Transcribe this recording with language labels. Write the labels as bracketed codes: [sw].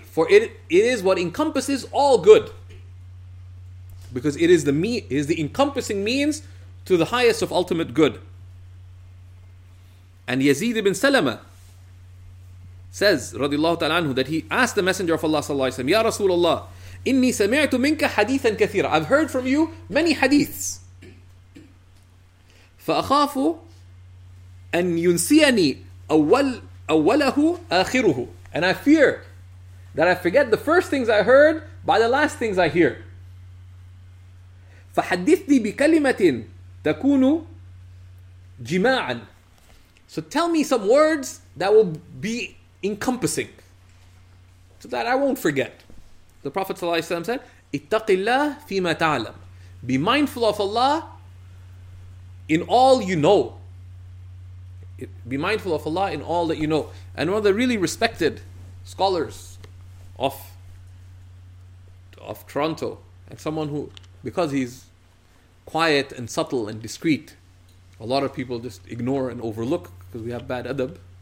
[en] For it is what encompasses all good. Because it is the encompassing means to the highest of ultimate good. And Yazid ibn Salama says, radiallahu ta'ala anhu, that he asked the Messenger of Allah sallallahu alayhi wa sallam, Ya Rasulullah, [ar] إِنِّي سَمِعْتُ مِنْكَ حَدِيثًا كَثِيرًا. [en] I've heard from you many hadiths. [ar] فَأَخَافُ أَن يُنْسِيَنِي أَوَّلَهُ آخِرُهُ. [en] And I fear that I forget the first things I heard by the last things I hear. [ar] فَحَدِّثْنِي بِكَلِمَةٍ تَكُونُ جِمَاعًا. [en] So tell me some words that will be encompassing, so that I won't forget. The Prophet ﷺ said, [ar] اتَّقِ اللَّهِ فِيمَا تَعْلَمُ. [en] Be mindful of Allah in all you know. Be mindful of Allah in all that you know. And one of the really respected scholars of Toronto, and someone who, because he's quiet and subtle and discreet, a lot of people just ignore and overlook because we have bad adab,